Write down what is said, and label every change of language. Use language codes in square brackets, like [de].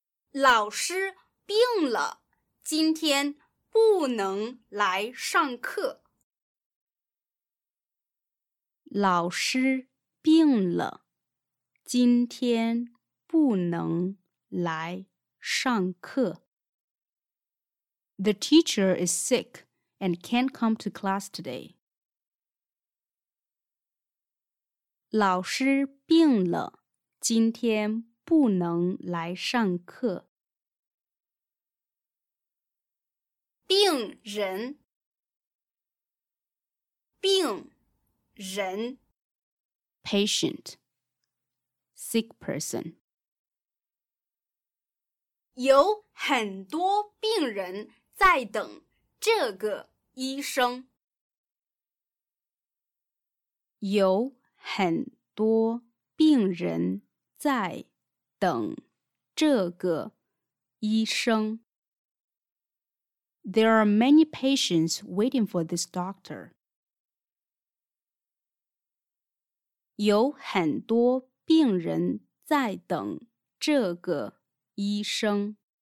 [zh] 老师病了，今天不能来上课。老师病了，今天不能来上课。 [en] The teacher is sick and can't come to class today. [zh] 老师病了，今天不能来上课。病人，病人。 [en] Patient, sick person. [zh] 有很多病人在等这个医生。有很多病人在等这个医生。 [en] There are many patients waiting for this doctor. [zh] 有很多病人在等这个医生。